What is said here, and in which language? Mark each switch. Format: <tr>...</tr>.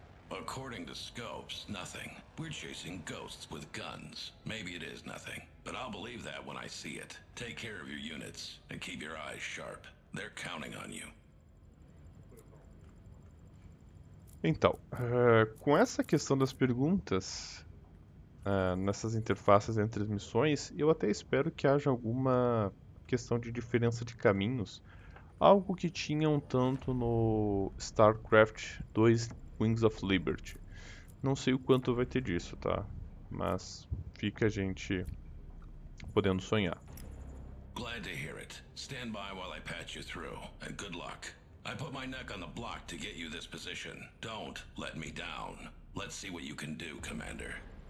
<en>According to scopes, nothing. We're chasing ghosts with guns. Maybe it is nothing, but I'll believe that when I see it. Take care of your units and keep your eyes sharp. They're counting on you.</en> <pt>Então, com essa questão das perguntas, nessas interfaces entre as missões, eu até espero que haja alguma questão de diferença de caminhos. Algo que tinha um tanto no StarCraft 2 Wings of Liberty. Não sei o quanto vai ter disso, tá? Mas fica a gente podendo sonhar.</pt> <en>Glad to hear it. Stand by while I patch you through, and good luck. I put my neck on the block to get you this position. Don't let me down. Let's see what you can do, Commander.</en>